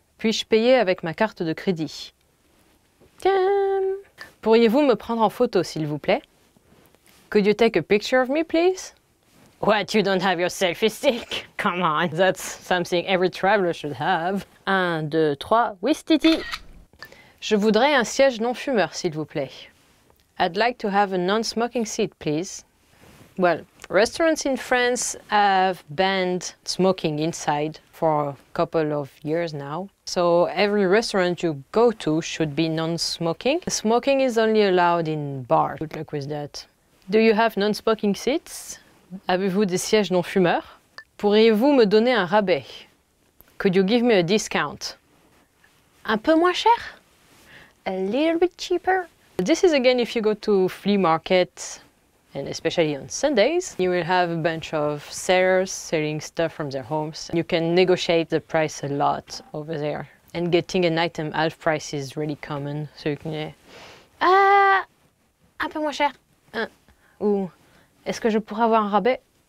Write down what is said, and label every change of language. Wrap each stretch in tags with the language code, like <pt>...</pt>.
<fr>Puis-je payer avec ma carte de crédit? Tiens! Pourriez-vous me prendre en photo, s'il vous plaît?</fr> <en>Could you take a picture of me, please? What, you don't have your selfie stick? Come on, that's something every traveler should have.</en> <fr>1, 2, 3, oui, Titi! Je voudrais un siège non-fumeur, s'il vous plaît.</fr> <en>I'd like to have a non-smoking seat, please. Well, restaurants in France have banned smoking inside for a couple of years now. So every restaurant you go to should be non-smoking. Smoking is only allowed in bars. Good luck with that. Do you have non-smoking seats?</en> <fr>Avez-vous des sièges non-fumeurs? Pourriez-vous me donner un rabais?</fr> <en>Could you give me a discount?</en> <fr>Un peu moins cher?</fr> <en>A little bit cheaper? This is again if you go to flea market, and especially on Sundays, you will have a bunch of sellers selling stuff from their homes. You can negotiate the price a lot over there. And getting an item half price is really common, so you can...</en> <fr>Un peu moins cher. Ou est-ce que je pourrais avoir un rabais?</fr>